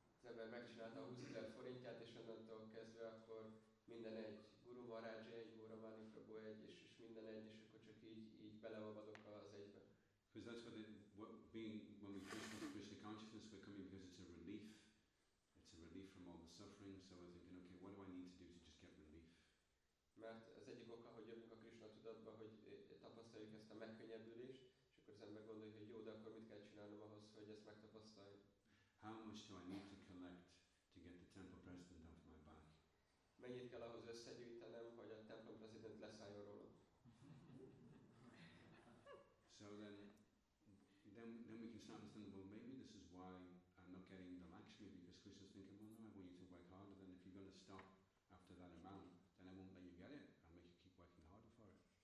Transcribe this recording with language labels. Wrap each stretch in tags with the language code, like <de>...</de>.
<hu>Az ember megcsinálta a 20,000 forintját, és onnantól kezdve akkor minden egy. Guru Maharaj egy, Guru Maharaj Prabhu egy, és minden egy, és akkor csak így beleolvadok az egybe.</hu> <en>Because that's what being when we first come to Krishna consciousness, we're coming because it's a relief. It's a relief from all the suffering. So we're thinking, okay, what do I need to do to just get relief?</en> <hu>Mert az egyik oka, hogy jövünk a Krishna tudatba, hogy tapasztaljuk ezt a megkönnyebbülést, és akkor az ember gondolja, hogy jó, de akkor mit kell csinálnom ahhoz, hogy ezt megtapasztaljam?</hu> <en>How much do I need to collect to get the temple president off my back?</en> <hu>Mennyit kell ahhoz összegyűjtenem, hogy a templom president leszálljon rólam?</hu> <en>So then we can start to think, well, maybe this is why I'm not getting the Lakshmi, because Krishna's thinking, well, no, I want you to work harder, then if you're going to stop after that amount, then I won't let you get it, I'll make you keep working harder for it.</en>